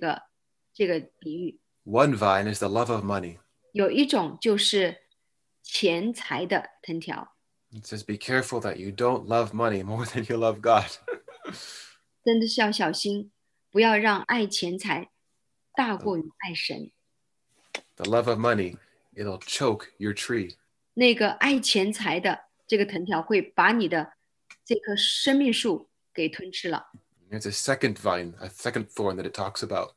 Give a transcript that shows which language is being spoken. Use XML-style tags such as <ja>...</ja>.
<zh>在马太福音13章,我们都能看到这个比喻。</zh> <en>One vine is the love of money.</en> <zh>有一种就是钱财的藤条。</zh> <en>It says, be careful that you don't love money more than you love God.</en> <zh>真的是要小心,不要让爱钱财大过于爱神。</zh> <en>The love of money, it'll choke your tree.</en> <zh>那个爱钱财的这个藤条会把你的这棵生命树给吞吃了。</zh> <en>There's a second vine, a second thorn that it talks about.</en>